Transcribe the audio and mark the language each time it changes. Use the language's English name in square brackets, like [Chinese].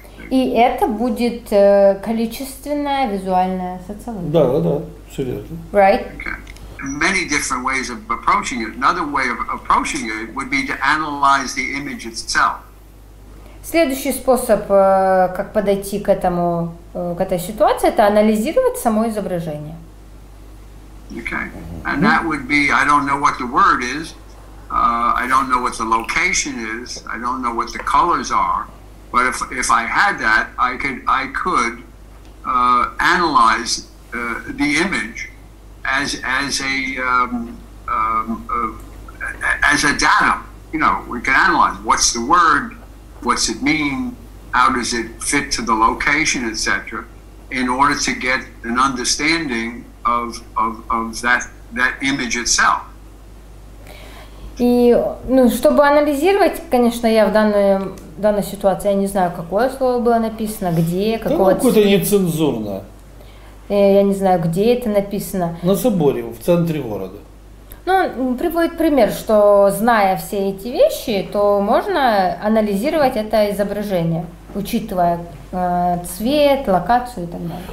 [Russian] И это будет количественная визуальная социология. Да, да, да, серьезно. [English] Right? Okay. Many different ways of approaching it. Another way of approaching it would be to analyze the image itself. [Russian] Следующий способ, как подойти к этому, к этой ситуации, это анализировать само изображение. [English] Okay. And that would be, I don't know what the word is, I don't know what the location is, I don't know what the colors are. But if I had that, I could analyze the image as a datum. You know, we can analyze what's the word, what's it mean, how does it fit to the location, etc., in order to get an understanding of that image itself. [Russian] И, ну, чтобы анализировать, конечно, я в данной ситуации, я не знаю, какое слово было написано, где, какого цвета. Да, какое-то нецензурное. Я не знаю, где это написано. На соборе, в центре города. Ну, приводит пример, что, зная все эти вещи, то можно анализировать это изображение, учитывая цвет, локацию и так далее.